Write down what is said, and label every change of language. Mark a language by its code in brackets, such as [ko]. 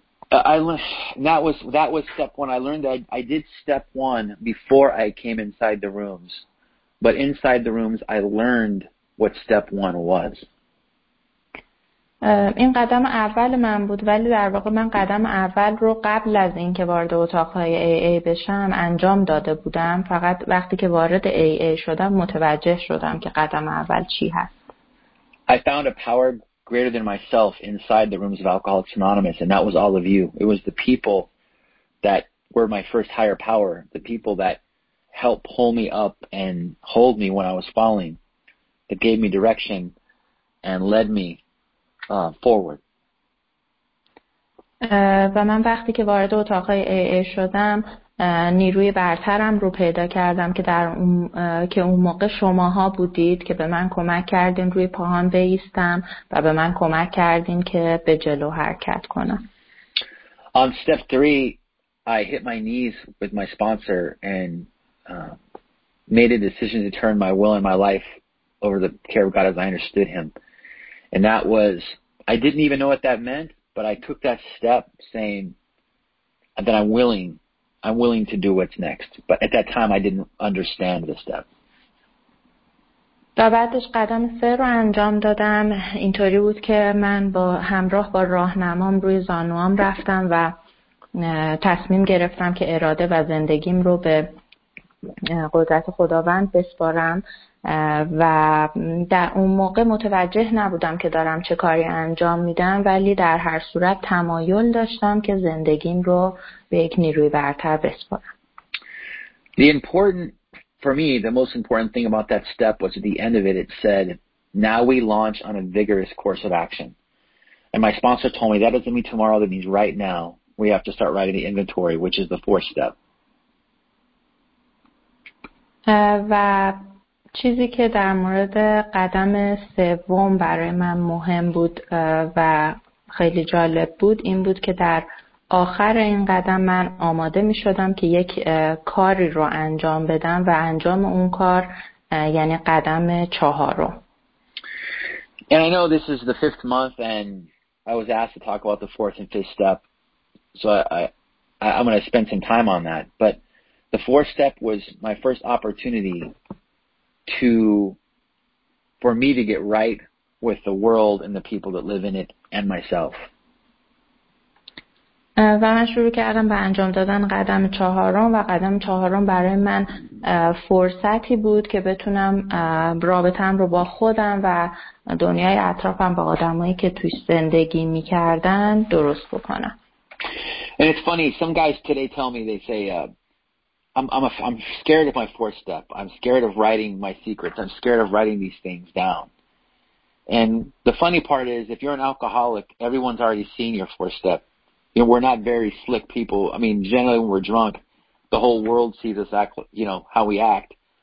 [en] That was step one. I learned that I did step one before I came inside the rooms. But inside the rooms I learned what step one was. [fa] این قدم اول من بود ولی در واقع من قدم اول رو قبل از این که وارد اتاقهای AA بشم انجام داده بودم فقط وقتی که وارد AA شدم متوجه شدم که قدم اول چی هست. [en] I found a power greater than myself inside the rooms of Alcoholics Anonymous and that was all of you. It was the people that were my first higher power, the people that helped pull me up and hold me when I was falling, that gave me direction and led me forward. [fa] و من وقتی که وارد اتاقهای AA شدم نیروی برترم رو پیدا کردم که در اون موقع شماها بودید که به من کمک کردین روی پاهام بایستم و به من کمک کردین که به جلو حرکت کنم. [en] On step 3 I hit my knees with my sponsor and made a decision to turn my will and my life over the care of God as I understood him. And that was, I didn't even know what that meant, but I took that step saying that I'm willing to do what's next. But at that time, I didn't understand the step. [fa] و بعدش قدم سه رو انجام دادم. اینطوری بود که من با همراه با راهنمام روی زانوام رفتم و تصمیم گرفتم که اراده و زندگیم رو به قدرت خداوند بسپارم. و در اون موقع متوجه نبودم که دارم چه کاری انجام میدم ولی در هر صورت تمایل داشتم که زندگیم رو به یک نیروی برتر بسپارم. [en] The important for me, the most important thing about that step was at the end of it, it said, now we launch on a vigorous course of action. And my sponsor told me, that doesn't mean tomorrow, that means right now. We have to start writing the inventory, which is the fourth step. [fa] و چیزی که در مورد قدم سوم برای من مهم بود و خیلی جالب بود این بود که در آخر این قدم من آماده می شدم که یک کاری رو انجام بدم و انجام اون کار یعنی قدم چهارم. [en] And I know this is the fifth month and I was asked to talk about the fourth and fifth step. So I'm going to spend some time on that. But the fourth step was my first opportunity for me to get right with the world and the people that live in it and myself. [fa] و من شروع کردم به انجام دادن قدم چهارم و قدم چهارم برای من فرصتی بود که بتونم رابطم رو با خودم و دنیای اطرافم با آدمایی که توی زندگی می‌کردن درست بکنم. [en] And it's funny, some guys today tell me, they say, I'm scared of my fourth step. I'm scared of writing my secrets. I'm scared of writing these things down. And the funny part is, if you're an alcoholic, everyone's already seen your fourth step. You know, we're not very slick people. I mean, generally when we're drunk, the whole world sees us act, you know, how we act.